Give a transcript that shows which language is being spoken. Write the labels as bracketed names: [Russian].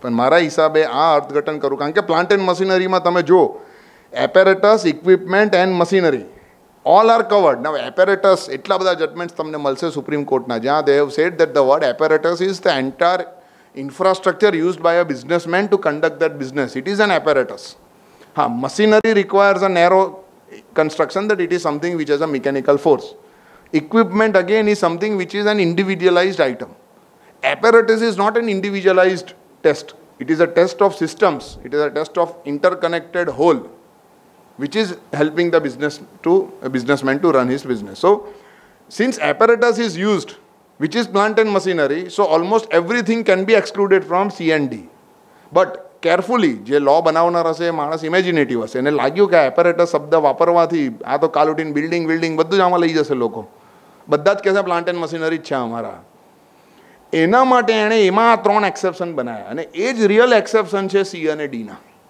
[Gujarati] પણ મારા હિસાબે આ અર્થઘટન કરું, કારણ કે પ્લાન્ટ એન્ડ મશીનરીમાં તમે જો apparatus equipment and machinery [English] All are covered. Now apparatus [Gujarati] એટલા બધા જજમેન્ટ્સ તમને મળશે સુપ્રીમ કોર્ટના, જ્યાં [English] They have said that the word apparatus is the entire infrastructure used by a businessman to conduct that business. It is an apparatus. હા, machinery requires a narrow construction, that it is something which is a mechanical force. Equipment again is something which is an individualized item. Apparatus is not an individualized test, it is a test of systems, it is a test of interconnected whole which is helping the business to a businessman to run his business. So since apparatus is used, which is plant and machinery, so almost everything can be excluded from C and D. [Gujarati] But carefully જે લો બનાવનાર હશે એ માણસ imaginative હશે, એને લાગ્યું કે apparatus શબ્દ વાપરવાથી આ તો કાલ ઉઠીને બિલ્ડિંગ બધું જ આમાં લઈ જશે લોકો, બધા જ કહેશે પ્લાન્ટ એન્ડ મશીનરી જ છે અમારા. એના માટે એણે એમાં આ ત્રણ એક્સેપ્શન બનાવ્યા, અને એ જ રિયલ એક્સેપ્શન છે સી અને ડીના.